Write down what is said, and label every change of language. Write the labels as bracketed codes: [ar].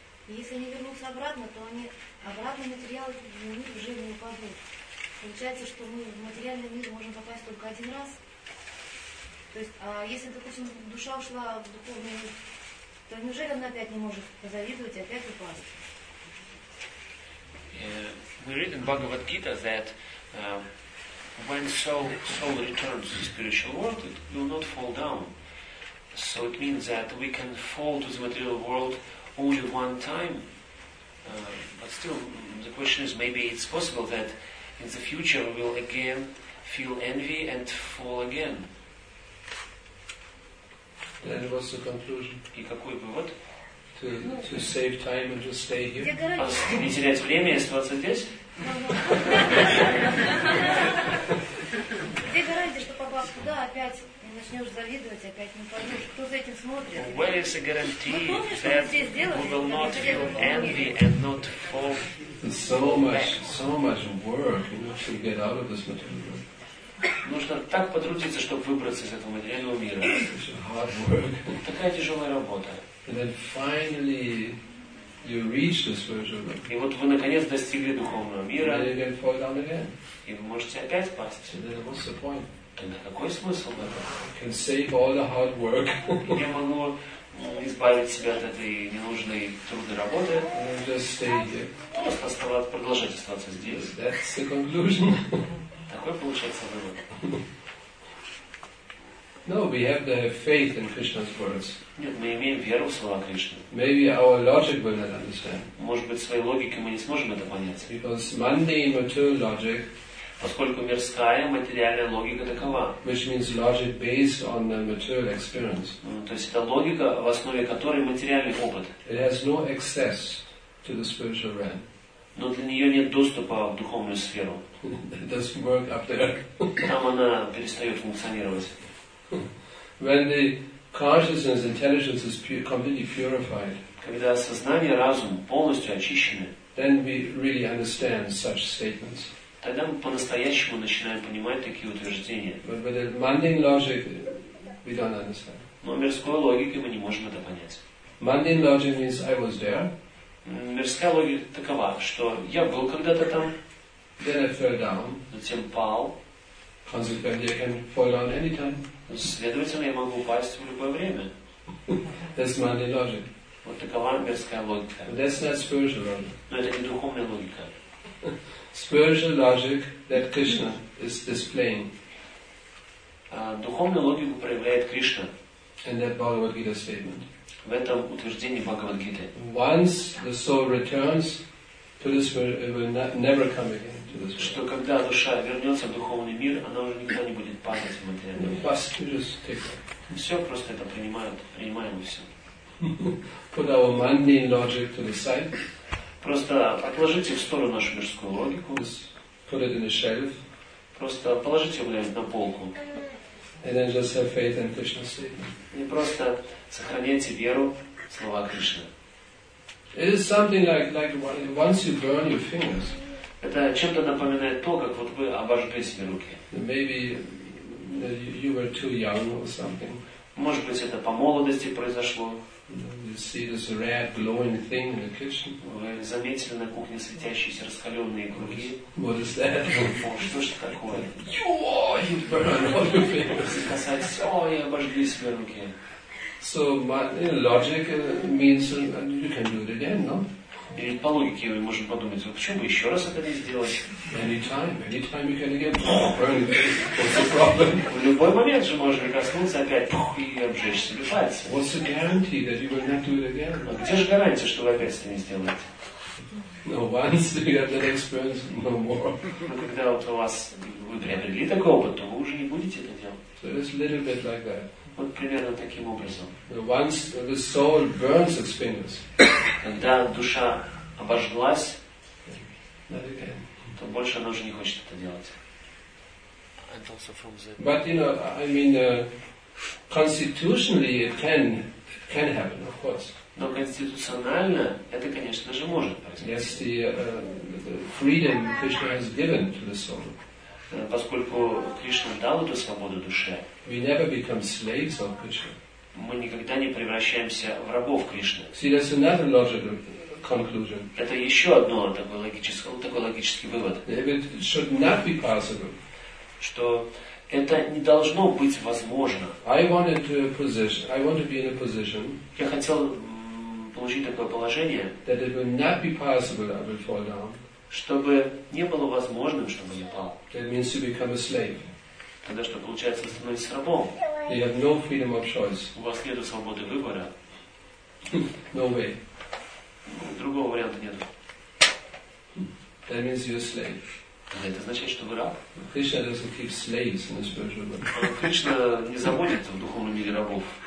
[ru] И если они вернутся обратно, то они обратно материал в мир уже не упадут. Получается, что мы в материальный мир можем попасть только один раз. То есть, а если, допустим, душа ушла в духовный мир, то неужели она опять не может позавидовать и опять упасть? [en] We read in Bhagavad Gita that when soul returns to the spiritual world, it will not fall down. So it means that we can fall to the material world only one time. But still, the question is, maybe it's possible that in the future we will again feel envy and fall again. And what's the conclusion? [ru] И какой вывод? [en] To save time and just stay here. [ru] Не терять время и оставаться здесь? Где гарантия, что попав туда, опять не начнешь завидовать, опять не пойдешь? Кто за этим смотрит? [en] Where is the guarantee that we will not feel envy and not fall back? So much work in order to get out of this material world. [ru] Нужно так потрудиться, чтобы выбраться из этого материального мира. [en] Hard work. [ru] Такая тяжелая работа. [en] And then finally you reach this version. [ru] И вот вы наконец достигли духовного мира. [en] And then you can fall down again. [ru] И вы можете опять пасть. [en] And then what's the point? [ru] Тогда какой смысл в этом? [en] Can save all the hard work. [ru] Я могу избавить себя от этой ненужной трудной работы. [en] And then just stay here. [ru] Просто оставаться, продолжать оставаться здесь. [en] That's the conclusion. [ru] Такой получается вывод. [en] No, we have to have faith in Krishna's words. [ru] Нет, мы имеем веру в слова Кришны. [en] Maybe our logic will not understand. [ru] Может быть, своей логикой мы не сможем это понять. [en] Because mundane material logic. [ru] Поскольку мирская материальная логика такова. [en] Which means logic based on the material experience. [ru] То есть это логика, в основе которой материальный опыт. [en] It has no access to the spiritual realm. [ru] Но для нее нет доступа в духовную сферу. [en] It doesn't work up there. [ru] Там она перестает функционировать. [en] When the consciousness, intelligence is completely purified, [ru] когда сознание, разум полностью очищены, [en] then we really understand such statements. [ru] Тогда мы по-настоящему начинаем понимать такие утверждения. [en] But with the mundane logic, we don't understand. [ru] Но мирской логикой мы не можем это понять. [en] Mundane logic means I was there. [ru] Мирская логика такова, что я был когда-то там. [en] Then I fell down. [ru] Затем пал. [en] Consequently, I can fall down anytime. [ru] Следовательно, я могу упасть в любое время. [en] That's mundane logic. [ru] Вот такова мирская логика. [en] But that's not spiritual logic. [ru] Но это не духовная логика. [en] Spiritual logic that Krishna is displaying. [ru] Духовную логику проявляет Кришна. [en] And that Bhagavad Gita statement. [ru] В этом утверждении Бхагавад Гиты. [en] Once the soul returns to this world, it will never come again. [ru] Что когда душа вернется в духовный мир, она уже никогда не будет падать в материальный мир. Все просто это принимают, принимаем и все. [en] Put our mundane logic to the side. [ru] Просто отложите в сторону нашу мирскую логику. [en] Put it in the shelf. [ru] Просто положите ее на полку. [en] And then just have faith in Krishna's statement. [ru] И просто сохраняйте веру в слова Кришны. [en] It is something like once you burn your fingers. [ru] Это чем-то напоминает то, как вот вы обожгли себе руки. [en] Maybe you were too young or something. [ru] Может быть, это по молодости произошло. [en] You see this red glowing thing in the kitchen. [ru] Вы заметили на кухне светящиеся раскаленные круги. [en] What is that? [ru] О, что ж это такое? [en] You burned all your fingers. [ru] И касаясь, о, я обожгли себе руки. [en] So logic means you can do it again, no? [ru] И по логике мы можем подумать, вот почему бы еще раз это не сделать? [en] Anytime you can again burn it. What's the problem? [ru] В любой момент же можно коснуться опять и обжечь себе пальцы. [en] What's the guarantee that you will not do it again? [ru] А где же гарантия, что вы опять это не сделаете? [en] No, once you have that experience, no more. [ru] Но когда вот у вас вы приобрели такой опыт, то вы уже не будете это делать. [en] So it's a little bit like that. [ru] Вот примерно таким образом. [en] Once the soul burns its fingers, [ru] когда душа обожглась, то больше она уже не хочет это делать. [en] But you know, I mean, constitutionally it can happen, of course. [ru] Но конституционально это, конечно же, может произойти. [en] Yes, the freedom Krishna has given to the soul. [ru] Поскольку Кришна дал эту свободу душе, [en] we never become slaves of Krishna. [ru] Мы никогда не превращаемся в рабов Кришны. [en] See, that's another logical conclusion. [ru] Это еще одно такое логическое, такой логический вывод. [en] It should not be possible. [ru] Что Это не должно быть возможно. Я хотел получить такое положение, [en] that it would not be possible I would fall down. [ru] Чтобы не было возможным, чтобы я пал. [en] That means to become a slave. [ru] Тогда что получается, становиться рабом? [en] You have no freedom of choice. [ru] У вас нет свободы выбора. [en] No way. [ru] Другого варианта нет. [en] That means you're a slave. [ru] А это означает, что вы раб? [en] Krishna doesn't keep slaves in the spiritual world. [ru] Кришна не заводит в духовном мире рабов.